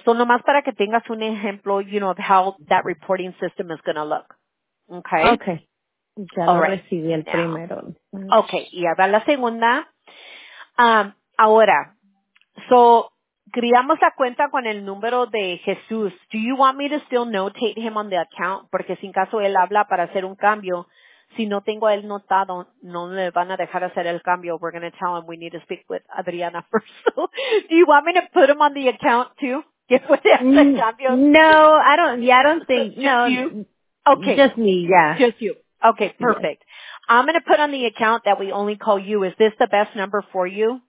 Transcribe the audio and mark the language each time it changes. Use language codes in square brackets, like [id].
[es] Son nomás para que tengas un ejemplo, [en] you know, of how that reporting system is going to look. Okay. [es] Okay. Ya lo recibí el primero. Okay. Y ahora la segunda. Ahora, so, creamos la cuenta con el número de Jesús. [en] Do you want me to still notate him on the account? [es] Porque sin caso él habla para hacer un cambio. Si no tengo a él notado, no le van a dejar hacer el cambio. [en] We're going to tell him we need to speak with Adriana first. So, do you want me to put him on the account too? Get with the cambio? No, I don't. Yeah, I don't think. Just no. You? Okay. Just me, yeah. Just you. Okay, perfect. Yes. I'm going to put on the account that we only call you. Is this the best number for you?